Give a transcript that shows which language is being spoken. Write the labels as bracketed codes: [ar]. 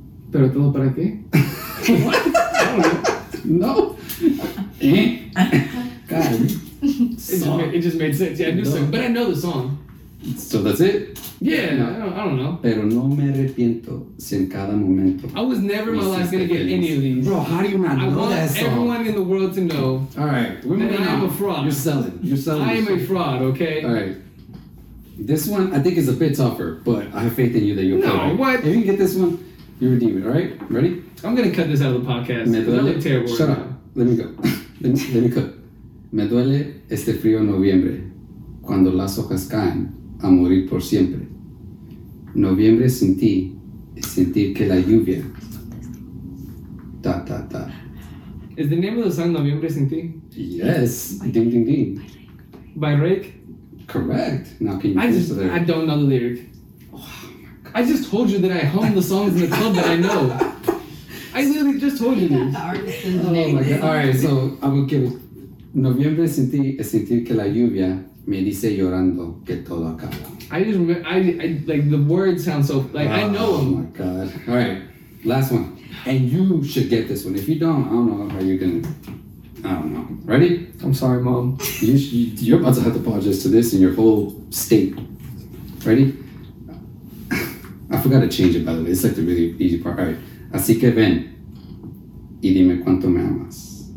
[es] ¿Pero todo para qué? [en] What? No. God. It just made sense. Yeah, I knew song. But I know the song. So that's it? Yeah, no. I don't know. [es] Pero no me arrepiento si en cada momento. [en] I was never in my life going to get any of these. Bro, how do you not know that song? I want everyone in the world to know. All right. We're moving on. I'm a fraud. You're selling. I am a fraud, okay? All right. This one, I think, is a bit tougher, but I have faith in you that you'll play. No, what? If you can get this one, you redeem it, all right? Ready? I'm going to cut this out of the podcast. [es] Me duele. [en] I look terrible. Shut right up. Now. Let me go. let me cut. [es] Me duele este frío en noviembre cuando las hojas caen. A morir por siempre. Noviembre sin ti es sentir que la lluvia. Ta. [en] Is the name of the song Noviembre sin ti? Yes. Ding ding ding. By Rake? Correct. Now can you just the lyric? I don't know the lyric. Oh, I just told you that I hummed the songs in the club that I know. I literally just told you this. Oh my god. Alright, so I will give it. [es] Noviembre sin ti es sentir que la lluvia. Me dice llorando que todo acaba. [en] I just remember, I like the words sound so, like, I know them. Oh my God. All right, last one. And you should get this one. If you don't, I don't know how you're gonna, I don't know. Ready? I'm sorry, Mom. You're about to have to apologize to this and your whole state. Ready? I forgot to change it, by the way. It's like the really easy part. All right. [es] Así que ven y dime cuánto me amas.